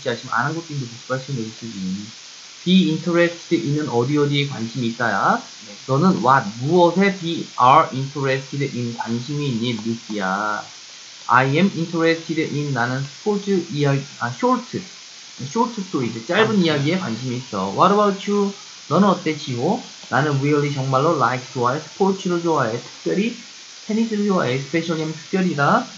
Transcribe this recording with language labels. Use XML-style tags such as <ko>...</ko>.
<ko>자 지금 안 한 것도 있는데 복습하시면 되겠지 지금. Be interested 있는 어디에 관심이 있다야. 네. 너는 what, 무엇에 be are interested in 관심이 있니? 루키야.</ko> <en>I am interested in,</en> <ko>나는 스포츠 이야기, 아 쇼트. 쇼트 스토리지. 짧은 이야기에 관심이 있어.</ko> <en>What about you?</en> <ko>너는 어때 지호? 나는 really 정말로 like 좋아해. 스포츠를 좋아해. 특별히 테니스를 좋아해. 스페셜이 하면 특별이다.</ko>